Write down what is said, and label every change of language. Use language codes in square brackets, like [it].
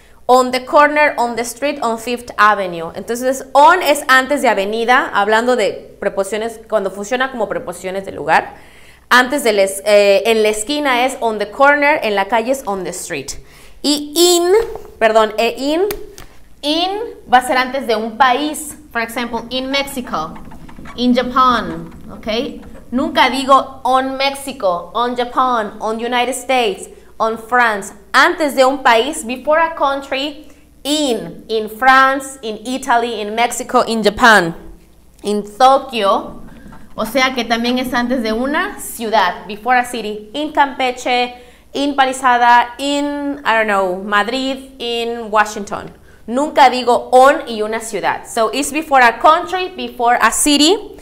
[en] On the corner, on the street, on Fifth Avenue. [es] Entonces, on es antes de avenida, hablando de preposiciones, cuando funciona como preposiciones de lugar. Antes de les, en la esquina es on the corner, en la calle es on the street. Y in, perdón, e in, in va a ser antes de un país. [en] For example, in Mexico, in Japan, ok. [es] Nunca digo [en] on Mexico, on Japan, on United States, on France. [es] Antes de un país, [en] before a country, in France, in Italy, in Mexico, in Japan, in Tokyo. [es] O sea que también es antes de una ciudad, [en] before a city. In Campeche, in Palizada, in, I don't know, Madrid, in Washington. [es] Nunca digo on y una ciudad. [en] So it's before a country, before a city.